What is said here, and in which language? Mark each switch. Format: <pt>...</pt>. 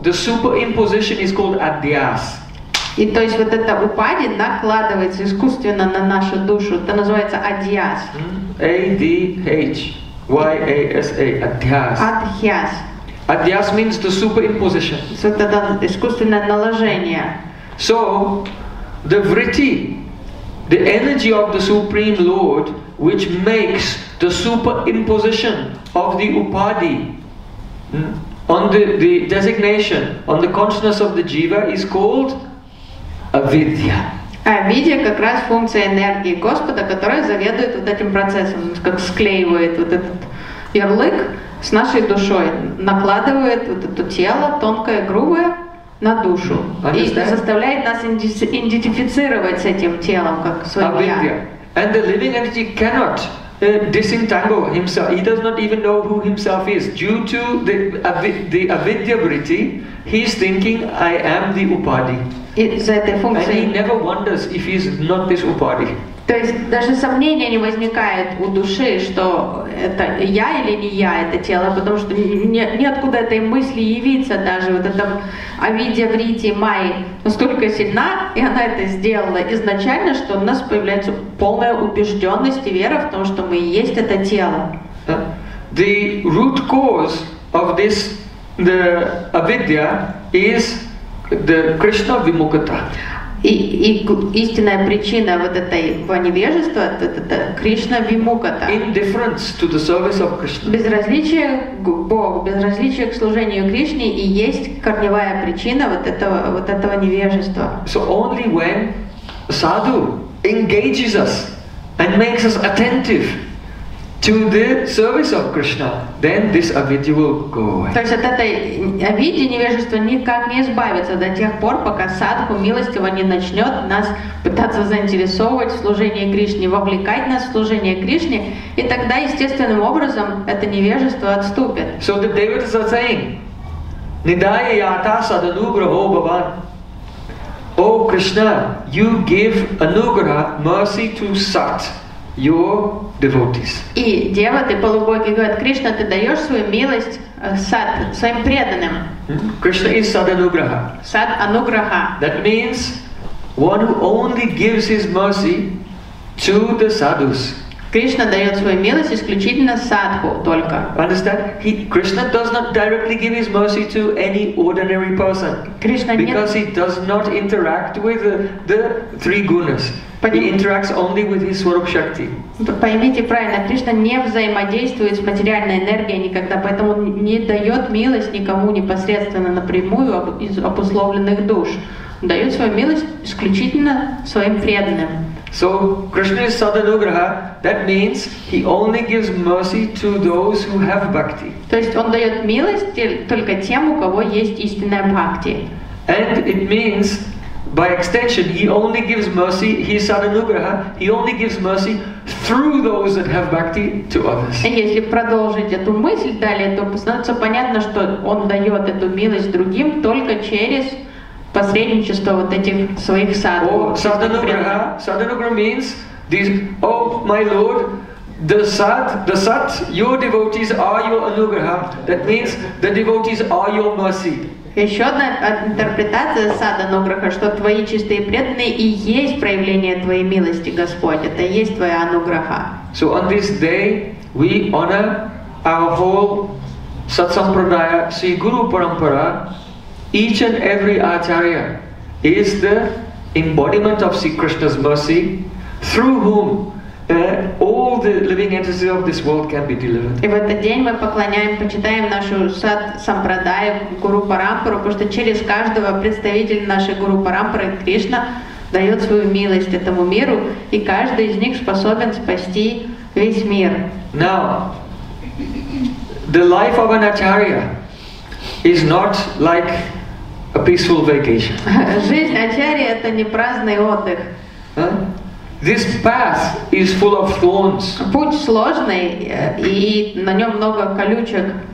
<en>The superimposition is called adhyas.</en> <ru>И то есть вот это упади накладывается искусственно на нашу душу. Это называется адхьяс. A-D-H-Y-A-S-A. Адхьяс. Адхьяс.</ru> <en>Адхьяс means the superimposition.</en> <ru>Это искусственное наложение.</ru> <en>So, the vritti, the energy of the Supreme Lord, which makes the superimposition of the upadhi on the designation, on the consciousness of the jiva, is called avidya.</en> <ru>Avidya как раз функция энергии Господа, которая заведует вот этим процессом, как склеивает вот этот ярлык с нашей душой, накладывает вот это тело тонкое, грубое на душу.</ru> <en>Understand?</en> <ru>И заставляет нас идентифицировать с этим телом, как своим я.</ru> <en>And the living entity cannot disentangle himself. He does not even know who himself is. Due to the avidya vritti, he is thinking, I am the upadhi. And he never wonders if he is not this upadhi.</en> <ru>То есть даже сомнения не возникает у души, что это я или не я, это тело, потому что ниоткуда этой мысли явиться даже. Вот эта авидья врити майи настолько сильна, и она это сделала изначально, что у нас появляется полная убежденность и вера в том, что мы и есть это тело.</ru> <en>The root cause of this, the avidya, is the Krishna vimukata.</en> <ru>И истинная причина вот этого невежества – это Кришна Вимуката.</ru> <en>Indifference to the service of Krishna.</en> <ru>Безразличие к Богу, безразличие к служению Кришне и есть корневая причина вот этого невежества.</ru> <en>So only when sadhu engages us and makes us attentive to the service of Krishna, then this avidya will go away.</en> <ru>То есть от этой авидьи невежества никак не избавиться до тех пор, пока садху милостиво не начнет нас пытаться заинтересовывать в служении Кришне, вовлекать нас в служение Кришне, и тогда естественным образом это невежество отступит.</ru> <en>So the devotees are saying,</en> <sa>Nidaya yata sadanugraho bhavan.</sa> <en>O Krishna, you give anugraha, mercy to sat. Your devotees.</en> <ru>И девоты полубоги говорят: Кришна, ты даешь свою милость сад своим преданным.</ru> <en>Krishna is sadanugraha.</en> <ru>Сад ануграха.</ru> <en>That means one who only gives his mercy to the sadhus.</en> <ru>Кришна дает свою милость исключительно садху только.</ru> <en>Understand? Krishna does not directly give his mercy to any ordinary person. Krishna because he does not interact with the three gunas. He interacts only with his Swarup Shakti.</en> <ru>Поймите правильно, Кришна не взаимодействует с материальной энергией никогда, поэтому не дает милость никому непосредственно напрямую из обусловленных душ. Дает свою милость исключительно своим преданным.</ru> <en>So Krishna is sadanugraha. That means he only gives mercy to those who have bhakti.</en> <ru>То есть он дает милость только тем, у кого есть истинная бхакти.</ru> <en>And it means by extension, he only gives mercy, he is sadanugraha, he only gives mercy through those that have bhakti to others.</en> <ru>Если продолжить эту мысль далее, то становится понятно, что он дает эту милость другим только через посредничество вот этих своих садху.</ru> <en>Oh, sadanugraha. Sadanugraha means this, oh my lord, the sat, your devotees are your anugraha. That means the devotees are your mercy.</en> <ru>Еще одна интерпретация садануграха, что твои чистые преданные и есть проявление твоей милости, Господь, это и есть твоя ануграха.</ru> <en>So on this day we honor our whole satsampradaya, Sri Guru Parampara. Each and every acharya is the embodiment of Sri Krishna's mercy, through whom all the living entities of this world can be delivered.</en> <ru>И в этот день мы поклоняем, почитаем нашу сад-сампрадаю, Гуру Парампару, потому что через каждого представителя нашей Гуру Парампары Кришна дает свою милость этому миру, и каждый из них способен спасти весь мир.</ru> <en>Now, the life of an acharya is not like a peaceful vacation.</en> <ru>Жизнь ачарьи – это не праздный отдых.</ru> <en>This path is full of thorns.</en> <ru>Путь сложный и на нем много колючек.</ru>